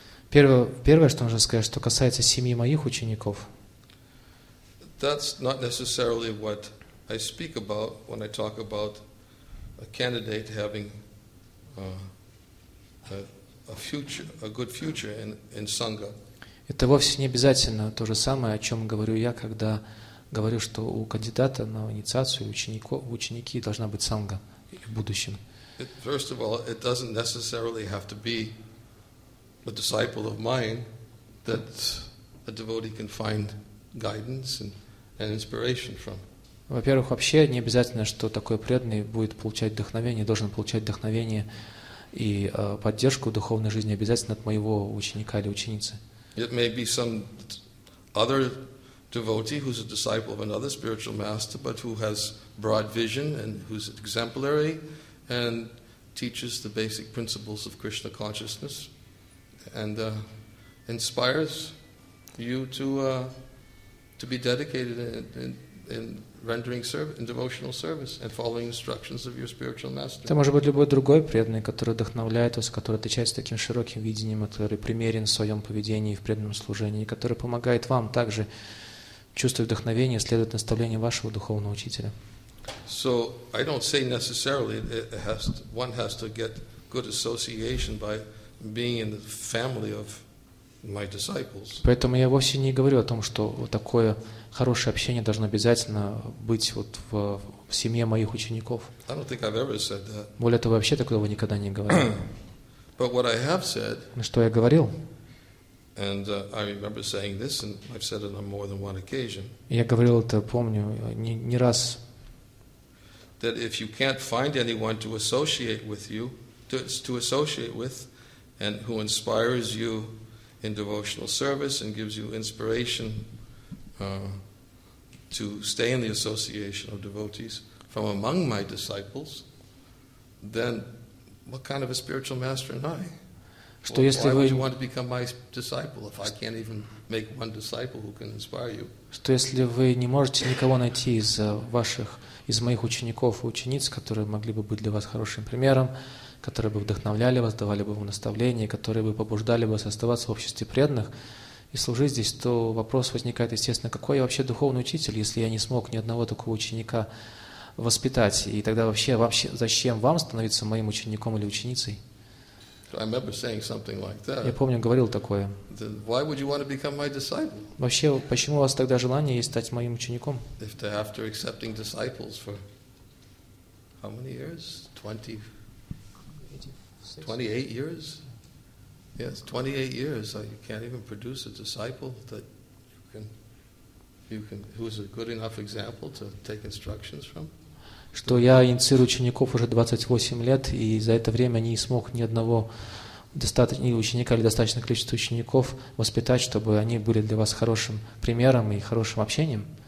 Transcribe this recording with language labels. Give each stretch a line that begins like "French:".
Russian: Первое, что нужно сказать, что касается семьи моих учеников.
English: That's not necessarily what I speak about when I talk about a candidate having a good future in sangha.
Russian: Это вовсе не обязательно то же самое, о чем говорю я, когда говорю, что у кандидата на инициацию ученики должна быть сангха в будущем.
English: First of all, it doesn't necessarily have to be a disciple of mine that a devotee can find guidance and inspiration from.
Russian: Во-первых, вообще не обязательно, что такой преданный будет получать вдохновение, должен получать вдохновение и поддержку духовной жизни обязательно от моего ученика или ученицы.
English: It may be some other devotee who's a disciple of another spiritual master, but who has broad vision and who's exemplary and teaches the basic principles of Krishna consciousness and inspires you to be dedicated in rendering service, in devotional service, and following instructions of your spiritual master.
Russian: Это может быть любой другой преданный, который вдохновляет вас, который отличается таким широким видением, который примерен в своем поведении и в преданном служении, который помогает вам также чувствовать вдохновение, следовать наставлениям вашего духовного учителя.
English: So I don't say necessarily one has to get good association by being in the family of my disciples.
Russian: Поэтому я вовсе не говорю о том, что такое хорошее общение должно обязательно быть вот в семье моих учеников.
English: I don't think I've ever said that.
Russian: Более того, вообще такого никогда не говорил.
English: But what I have said,
Russian: что я говорил,
English: and I remember saying this, and I've said it on more than one occasion.
Russian: Я говорил это, помню, не раз.
English: That if you can't find anyone to associate with you, to associate with, and who inspires you in devotional service and gives you inspiration to stay in the association of devotees from among my disciples, then what kind of a spiritual master am I?
Russian: Что если
English: why would you want to become my disciple if I can't even make one disciple who can inspire you?
Russian: Что если вы не можете никого найти из ваших, из моих учеников и учениц, которые могли бы быть для вас хорошим примером, которые бы вдохновляли вас, давали бы вам наставления, которые бы побуждали вас оставаться в обществе преданных и служить здесь, то вопрос возникает, естественно, какой я вообще духовный учитель, если я не смог ни одного такого ученика воспитать? И тогда вообще зачем вам становиться моим учеником или ученицей?
English: So I remember saying something like that.
Russian: Я помню, говорил такое.
English: Then why would you want to become my disciple?
Russian: Вообще, почему у вас тогда желание есть стать моим учеником?
English: If they're after accepting disciples for how many years? 28 years? Yes, 28 years. You can't even produce a disciple that you can who is a good enough example to take instructions from.
Russian: Что я инициирую учеников уже 28 лет, и за это время не смог ни одного ученика или достаточное количество учеников воспитать, чтобы они были для вас хорошим примером и хорошим общением.